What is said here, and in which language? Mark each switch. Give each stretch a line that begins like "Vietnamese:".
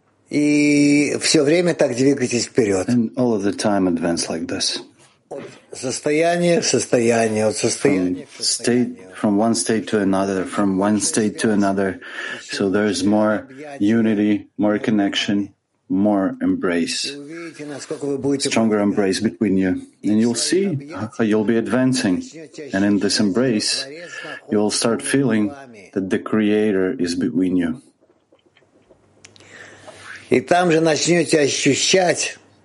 Russian: И все время так двигайтесь вперед.
English: And all of the time advance like this.
Russian: От состояния в состояние, от состояния в состояние.
English: From one state to another, from one state to another. So there is more unity, more connection, more embrace. Stronger embrace between you. And you'll see how you'll be advancing. And in this embrace, you'll start feeling that the Creator is between you.
Russian: И там же начнете ощущать,